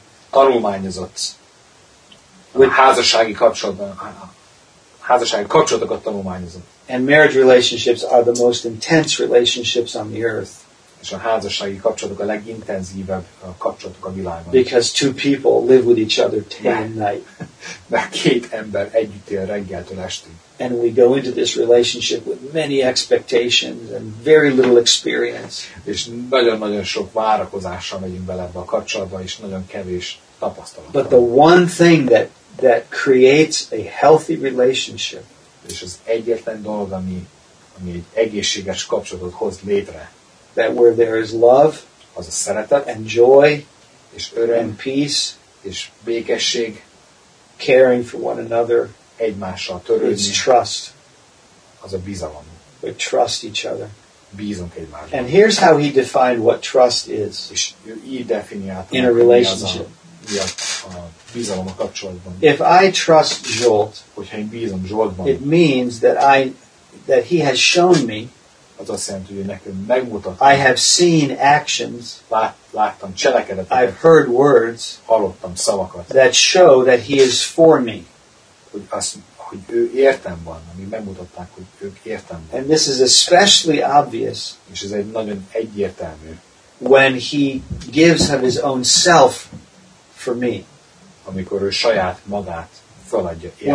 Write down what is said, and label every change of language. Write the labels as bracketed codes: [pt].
[hu] tanulmányozott házassági kapcsolatban, házassági kapcsolatokat tanulmányozott. [en] And marriage relationships are the most intense relationships on the earth. [hu] És a házassági kapcsolatok a legintenzívebb kapcsolatok a világon. [en] Because two people live with each other day and night. [hu] Mert két ember együtt él reggeltől estig. [en] And we go into this relationship with many expectations and very little experience. [hu] És nagyon-nagyon sok várakozással megyünk bele ebbe a kapcsolatba, és nagyon kevés tapasztalat. [en] But the one thing that creates a healthy relationship, [hu] és az egyetlen dolog, ami egy egészséges kapcsolatot hoz létre, [en] that where there is love, [hu] az a szeretet, [en] and joy, [hu] és öröm, [en] and peace, [hu] és békesség, [en] caring for one another, [hu] egymással törődni, [en] is trust, [hu] az a bizalom. [en] We trust each other. [hu] Bízunk egymásban. [en] And here's how he defined what trust is. [hu] És ő így definiálta, [en] in a relationship. [hu] Bizalom a kapcsolatban. [en] If I trust Zsolt, [hu] hogyha én bízom Zsoltban, [en] it means that he has shown me, [hu] az azt jelenti, hogy nekem megmutatta. [en] I have seen actions, [hu] láttam cselekedeteket. [en] I've heard words, [hu] hallottam szavakat. [en] That show that he is for me. [hu] Hogy ő értem van, ami megmutatták, hogy ők értem van. [en] And this is especially obvious, [hu] és ez egy nagyon egyértelmű, [en] when he gives of his own self for me. [hu] Amikor ő saját magát feladja értem.